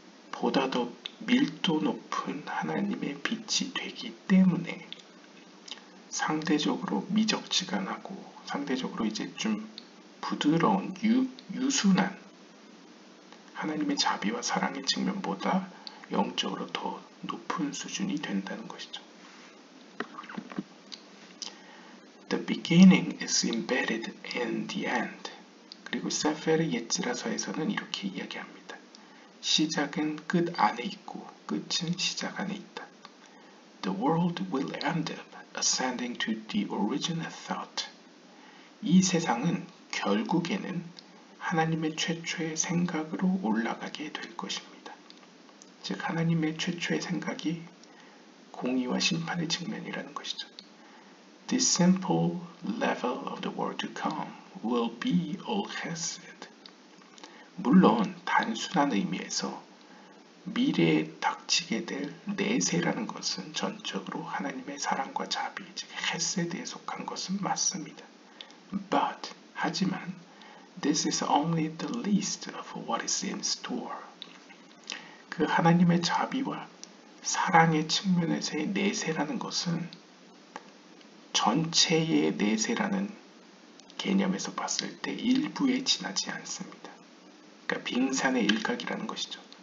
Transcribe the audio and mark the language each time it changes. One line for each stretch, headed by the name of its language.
Korean: 보다 더 밀도 높은 하나님의 빛이 되기 때문에 상대적으로 미적지가 나고 상대적으로 이제 좀 부드러운 유순한 하나님의 자비와 사랑의 측면보다 영적으로 더 높은 수준이 된다는 것이죠.
English: The beginning is embedded in the end.
Korean: 그리고 세페르 예츠라서에서는 이렇게 이야기합니다. 시작은 끝 안에 있고 끝은 시작 안에 있다.
English: The world will end up ascending to the original thought.
Korean: 이 세상은 결국에는 하나님의 최초의 생각으로 올라가게 될 것입니다. 즉 하나님의 최초의 생각이 공의와 심판의 측면이라는 것이죠.
English: The simple level of the world to come will be all chesed.
Korean: 물론 단순한 의미에서 미래에 닥치게 될 내세라는 것은 전적으로 하나님의 사랑과 자비, 즉 chesed에 속한 것은 맞습니다.
English: But
Korean: 하지만
English: This is only the least of what is in store.
Korean: 그 하나님의 자비와 사랑의 측면에서의 내세라는 것은 전체의 내세라는 개념에서 봤을 때 일부에 지나지 않습니다. 그러니까 빙산의 일각이라는 것이죠.